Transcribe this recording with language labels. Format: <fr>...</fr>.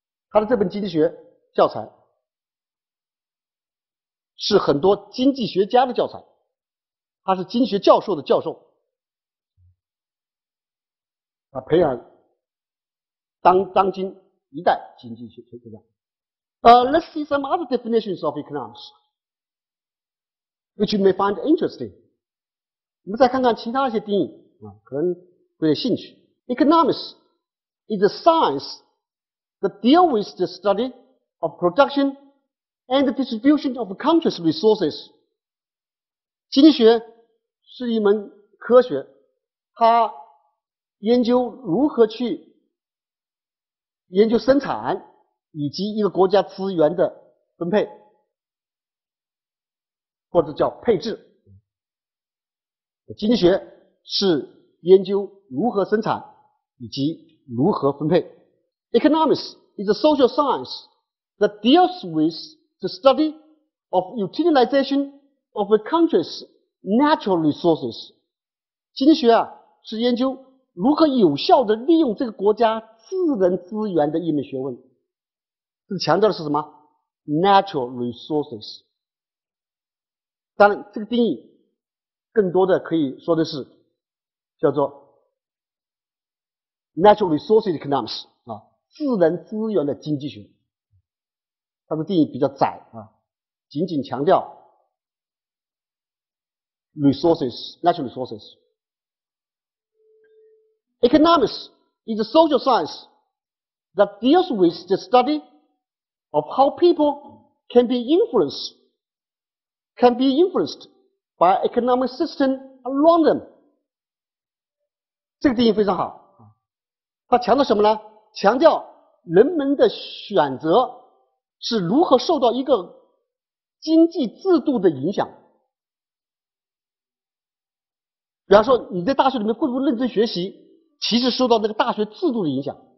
<zh>他的这本经济学教材是很多经济学家的教材，他是经济学教授的教授，他培养当今一代经济学家。</zh> <en>Let's see some other definitions of economics, which you may find interesting.</en> <zh>我们再看看其他一些定义，可能会有兴趣。</zh> <en>Economics is a science that deals with the study of production and the distribution of a country's resources.</en> <zh>经济学是一门科学，它研究如何去研究生产以及一个国家资源的分配，或者叫配置。经济学是研究如何生产以及如何分配。</zh> <en>Economics is a social science that deals with the study of utilization of a country's natural resources.</en> <zh>经济学啊，是研究如何有效地利用这个国家自然资源的一门学问。这强调的是什么？Natural resources。 当然，这个定义更多的可以说的是叫做 natural resources economics 啊，自然资源的经济学。它的定义比较窄啊，仅仅强调 resources, natural resources。</zh> <en>Economics is a social science that deals with the study of how people can be influenced by economic system around them.</en> <zh>这个定义非常好。它强调什么呢？强调人们的选择是如何受到一个经济制度的影响。比方说你在大学里面会不会认真学习，其实受到那个大学制度的影响。</zh>